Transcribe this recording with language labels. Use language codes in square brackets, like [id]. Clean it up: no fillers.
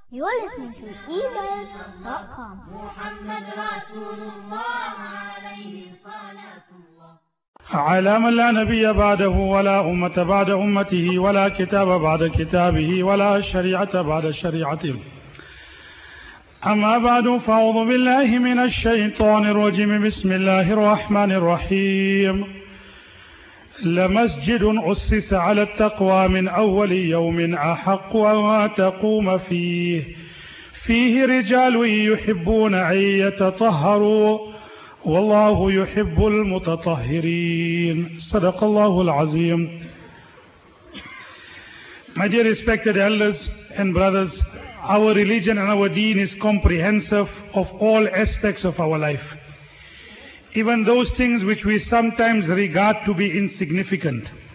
[en] You're listening to ebuzz.com. [ar] محمد رسول الله عليه الصلاة والسلام. على من لا نبي بعده ولا أمة بعد أمته ولا كتاب بعد كتابه ولا شريعة بعد شريعته. أما بعد، فأعوذ بالله من الشيطان الرجيم، بسم الله الرحمن الرحيم. لمسجد أسس على التقوى من أول يوم أحق وما تقوم فيه، فيه رجال يحبون أن يتطهروا والله يحب المتطهرين. صدق الله العظيم. [en] My dear respected elders and brothers, our religion and our deen is comprehensive of all aspects of our life, even those things which we sometimes regard to be insignificant.